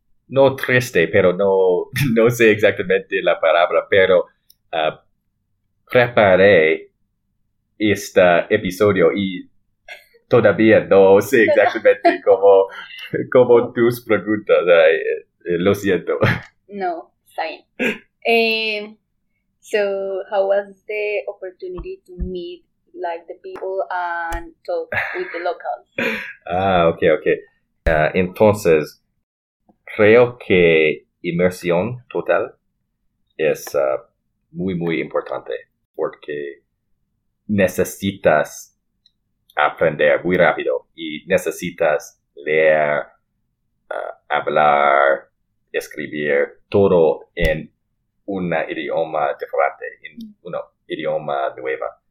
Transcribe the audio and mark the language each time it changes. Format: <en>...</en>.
<es>no triste, pero no sé exactamente la palabra, pero preparé este episodio y todavía no sé exactamente cómo tus preguntas. Lo siento. No, está bien.</es> <en>So, how was the opportunity to meet like the people and talk with the locals?</en> <es>Entonces, creo que inmersión total es muy, muy importante porque necesitas aprender muy rápido y necesitas leer, hablar, escribir todo en un idioma diferente, en un idioma nuevo.</es>